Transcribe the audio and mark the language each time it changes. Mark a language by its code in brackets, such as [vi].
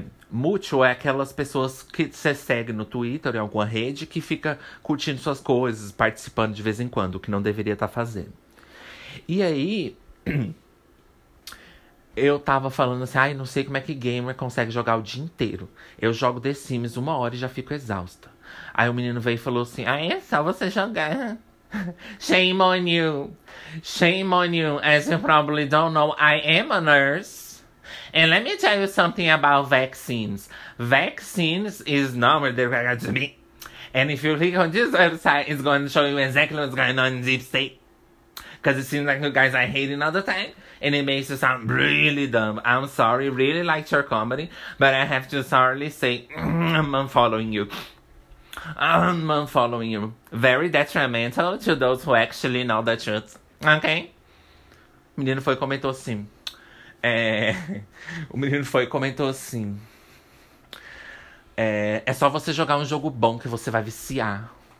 [pt] Mutual é aquelas pessoas que você segue no Twitter, em alguma rede, que fica curtindo suas coisas, participando de vez em quando, o que não deveria estar fazendo. E aí. Eu tava falando assim, ai, não sei como é que gamer consegue jogar o dia inteiro. Eu jogo The Sims 1 hora e já fico exausta. Aí o menino veio e falou assim: ah, é só você jogar. [en] Shame on you. Shame on you, as you probably don't know. I am a nurse. And let me tell you something about vaccines. Vaccines is not what they're going to be. And if you click on this website, it's going to show you exactly what's going on in deep state. Because it seems like you guys are hating all the time. And it makes you sound really dumb. I'm sorry, really liked your comedy. But I have to sorely say, I'm unfollowing you. Very detrimental to those who actually know the truth. [pt] Okay? O menino comentou assim. É só você jogar um jogo bom que você vai viciar.